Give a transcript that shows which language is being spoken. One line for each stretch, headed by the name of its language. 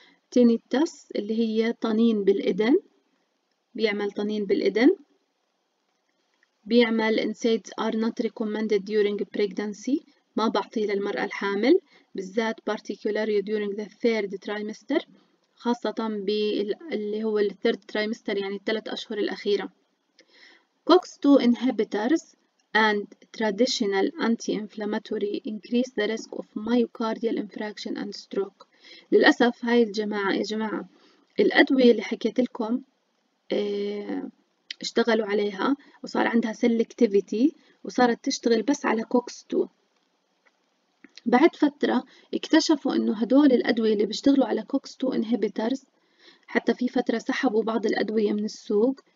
Arabic: تينيتس اللي هي طنين بالإذن، بيعمل طنين بالإذن، بيعمل
English: NSAIDs are not recommended during pregnancy،
Arabic: ما بعطيه للمرأة الحامل بالذات
English: particularly during the third trimester،
Arabic: خاصة باللي هو الثيرد تريمستر يعني الثلاث أشهر الأخيرة.
English: COX-2 inhibitors and traditional anti-inflammatory increase the risk of myocardial infarction and stroke.
Arabic: للأسف هاي الجماعة يا جماعة الأدوية اللي حكيت لكم اشتغلوا عليها وصار عندها selectivity وصارت تشتغل بس على COX-2. بعد فترة اكتشفوا انه هدول الأدوية اللي بيشتغلوا على COX-2 inhibitors، حتى في فترة سحبوا بعض الأدوية من السوق.